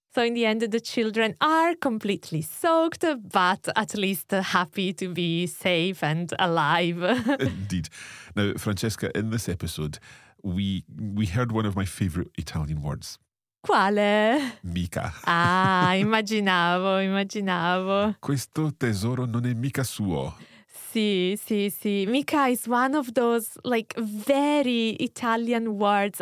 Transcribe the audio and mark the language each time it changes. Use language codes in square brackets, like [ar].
[en] So in the end, the children are completely soaked, but at least happy to be safe and alive. Indeed. Now, Francesca, in this episode, we heard one of my favourite Italian words. [it] Quale? Mica. Ah, immaginavo. Questo tesoro non è mica suo. Sì. [en] Mica is one of those, like, very Italian words.